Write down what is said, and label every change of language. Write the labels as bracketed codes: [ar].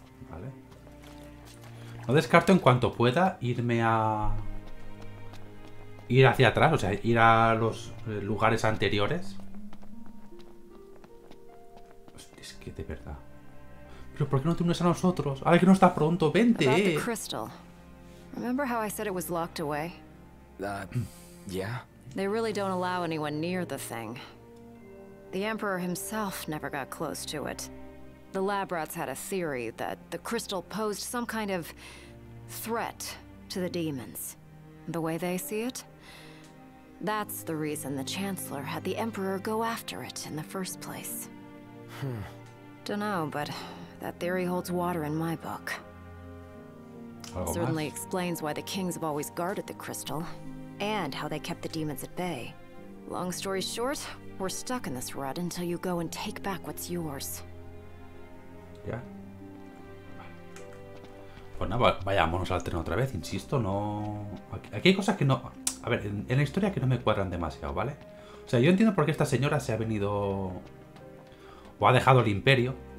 [es] Vale. No descarto en cuanto pueda irme a ir hacia atrás, o sea, ir a los lugares anteriores. Es que de verdad. Pero ¿por qué no te unes a nosotros? Ahora que no está pronto, vente. [en] About the crystal. Remember how I said it was locked away? Yeah. They really don't allow anyone near the thing. The Emperor himself never got close to it. The lab rats had a theory that the crystal posed some kind of threat to the demons. The way they see it, that's the reason the Chancellor had the Emperor go after it in the first place. Dunno, but that theory holds water in my book. Certainly explains why the kings have always guarded the crystal, and how they kept the demons at bay. Long story short, we're stuck in this rut until you go and take back what's yours. Yeah. [es] Pues nada, vayámonos al tren otra vez, insisto, no... Aquí hay cosas que no... A ver, en la historia que no me cuadran demasiado, ¿vale? O sea, yo entiendo por qué esta señora se ha venido... O ha dejado el imperio.